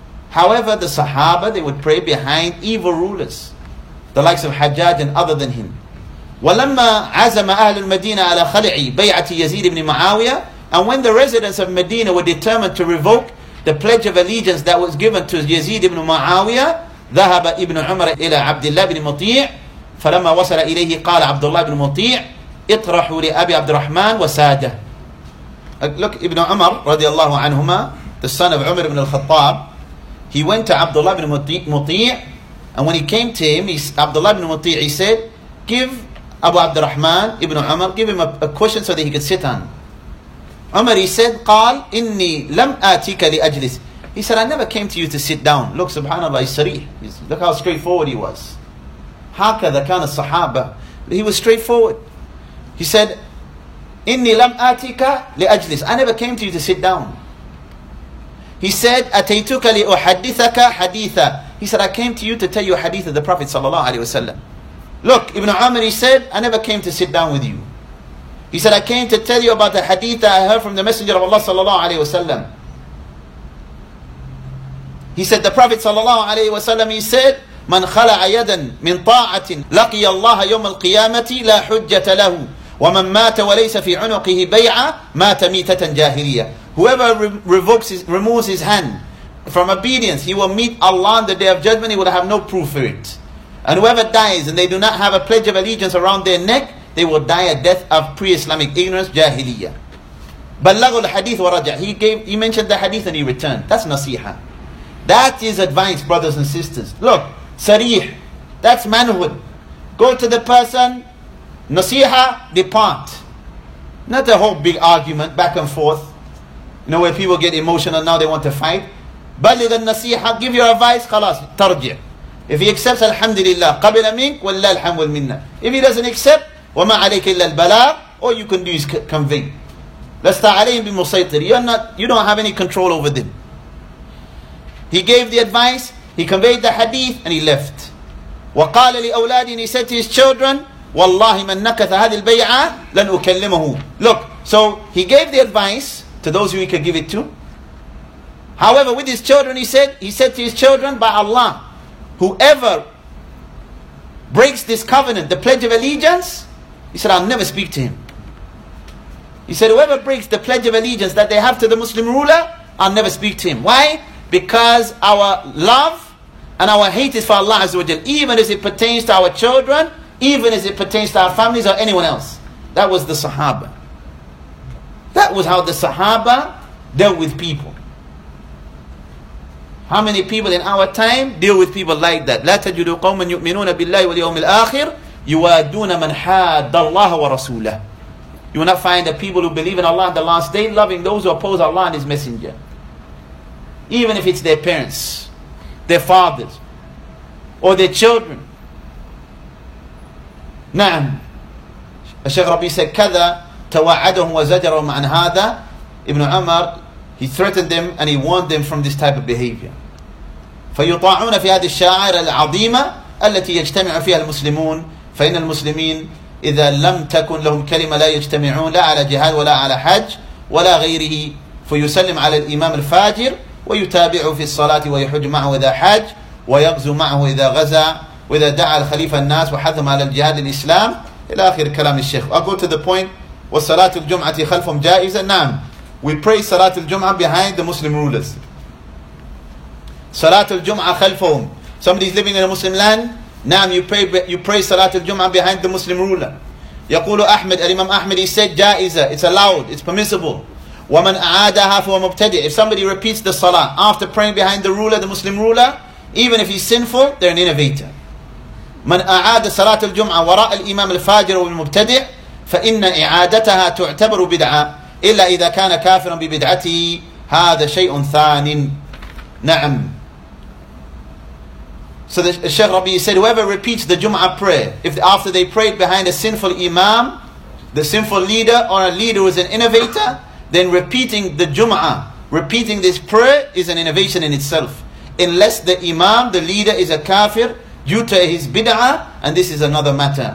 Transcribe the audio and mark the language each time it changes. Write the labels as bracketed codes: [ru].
[en] However, the Sahaba, they would pray behind evil rulers, the likes of Hajjaj and other than him. [ar] وَلَمَّا عَزَمَ أَهْلُ الْمَدِينَةِ عَلَى خَلِعِ بَيْعَةِ يَزِيدِ بْنِ مُعَاوِيَةِ. [en] And when the residents of Medina were determined to revoke the pledge of allegiance that was given to Yazid ibn Muawiyah, ذَهَبَ ibn Umar ila Abdullah ibn Muti'. [ar] فَلَمَّا وَصَلَ إِلَيْهِ قَالَ Abdullah ibn Muti'. اطرحوا لأبي عبد الرحمن وسادة. [en] Look, Ibn Umar رضي الله عنهما, the son of Umar ibn al-Khattab, he went to Abdullah ibn Muti' and when he came to him, Abdullah ibn Muti', he said, give Abu عبد الرحمن Ibn Umar, give him a cushion so that he could sit on. [ar] Umar, [en] he said, [ar] قال إني لم آتيك لأجلس. [en] He said, I never came to you to sit down. Look, subhanAllah, he's sarih. Look how straightforward he was. [ar] هكذا كان الصحابة. [en] He was straightforward. He said, [ar] إني لم آتيك لأجلس. [en] I never came to you to sit down. He said, [ar] أتيتك لأحدثك حديثا. [en] He said, I came to you to tell you a hadith of the Prophet sallallahu alayhi wa sallam. Look, Ibn Umar, he said, I never came to sit down with you. He said, I came to tell you about the hadith that I heard from the Messenger of Allah sallallahu alayhi wa sallam. He said, the Prophet sallallahu alayhi wa sallam, he said, [ar] من خلع يدا من طاعة لقي الله يوم القيامة لا حجة له ومن مات وليس في عنقه بيعة مات ميتة جاهلية. [en] Whoever removes his hand from obedience, he will meet Allah on the day of judgment, he will have no proof for it. And whoever dies and they do not have a pledge of allegiance around their neck, they will die a death of pre-Islamic ignorance, جاهلية. [ar] بلغوا الحديث ورجع. [en] He mentioned the hadith and he returned. That's nasiha. That is advice, brothers and sisters. Look, sarih, that's manhood. Go to the person, nasiha, depart. Not a whole big argument back and forth, you know, where people get emotional, now they want to fight. [ar] Balig al-nasiha, [en] give your advice, [ar] khalas, tarji. [en] If he accepts, [ar] alhamdulillah, qabila mink, wallah alhamdul minna. [en] If he doesn't accept, [ar] wama alayka illa al-balagh, [en] all you can do is convey. [ar] Lasta alayhim bi musaytir. [en] You don't have any control over them. He gave the advice, He conveyed the hadith and he left. [ar] وقال لأولادي, [en] and he said to his children, [ar] والله من نكث هذه البيعة لن أكلمه. [en] Look, so he gave the advice to those who he could give it to. However, with his children, he said to his children, by Allah, whoever breaks this covenant, the pledge of allegiance, he said, I'll never speak to him. He said, whoever breaks the pledge of allegiance that they have to the Muslim ruler, I'll never speak to him. Why? Because our love and our hate is for Allah Azza wa Jal, even as it pertains to our children, even as it pertains to our families or anyone else. That was the Sahaba. That was how the Sahaba dealt with people. How many people in our time deal with people like that? [ar] لا تجد قوما يؤمنون بالله واليوم الآخر يوادون من حاد الله ورسوله. [en] You will not find the people who believe in Allah on the last day loving those who oppose Allah and His Messenger. Even if it's their parents, their fathers, or their children. [ar] نعم. الشيخ ربي [en] said [ar] كذا توعدهم وزجرهم عن هذا. [en] Ibn Umar, he threatened them and he warned them from this type of behavior. [ar] فيطاعون في هذه الشاعر العظيمة التي يجتمع فيها المسلمون فإن المسلمين إذا لم تكن لهم كلمة لا يجتمعون لا على جهاد ولا على حج ولا غيره فيسلم على الإمام الفاجر ويتابعه في الصلاة ويحج معه إذا حج ويغزو معه إذا غزا وإذا دعا الخليفة الناس وحثهم على الجهاد للإسلام إلى آخر كلام الشيخ. [en] I'll go to the point. [ar] والصلاة الجمعة خلفهم جائزة. نعم. [en] We pray صلاة الجمعة behind the Muslim rulers. [ar] صلاة الجمعة خلفهم. [en] Somebody's living in a Muslim land. نعم, you pray صلاة الجمعة behind the Muslim ruler. [ar] يقول أحمد, الإمام أحمد, [en] he said [ar] جائزة. [en] It's allowed. It's permissible. [ar] ومن أعادها فهو مبتدع. [en] If somebody repeats the صلاة after praying behind the ruler, the Muslim ruler, even if he's sinful, they're an innovator. [ar] من أعاد صلاة الجمعة وراء الإمام الفاجر والمبتدع فإن إعادتها تعتبر بدعة إلا إذا كان كافرا ببدعته هذا شيء ثاني. نعم. [en] So the Shaykh Rabbi said, whoever repeats the Jum'ah prayer, if after they prayed behind a sinful imam, the sinful leader, or a leader who is an innovator, then repeating the Jum'ah, repeating this prayer, is an innovation in itself. Unless the imam, the leader, is a kafir due to his bid'ah, and this is another matter.